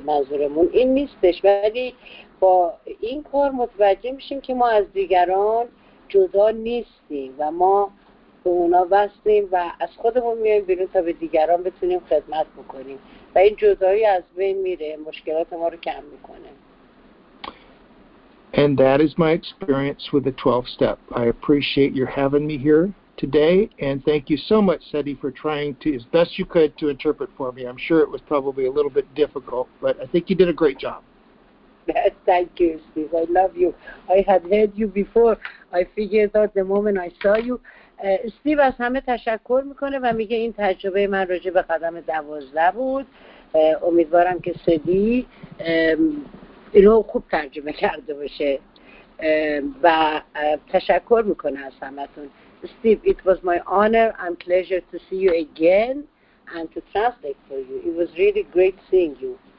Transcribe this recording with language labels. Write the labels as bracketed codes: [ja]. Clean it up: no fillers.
[fa] منظورمون این نیستش، ولی با این کار متوجه میشیم که ما از دیگران جدا نیستیم و ما به اونا وصلیم و از خودمون میایم بیرون تا به دیگران بتونیم خدمت بکنیم و این جدایی از بین میره، مشکلات ما رو کم میکنه. [en] And that is my experience with the 12th step. I appreciate your having me here today and thank you so much, Seti, for trying to as best you could to interpret for me. I'm sure it was probably a little bit difficult, but I think you did a great job. Thank you, Steve. I love you. I had heard you before. I figured out the moment I saw you. [fa] استیو از همه تشکر میکنه و میگه این تجربه من راجع به قدم 12 بود. امیدوارم که سدی اینو خوب ترجمه کرده باشه و تشکر میکنه از همتون. [en] Steve, it was my honor and pleasure to see you again and to translate for you. It was really great seeing you.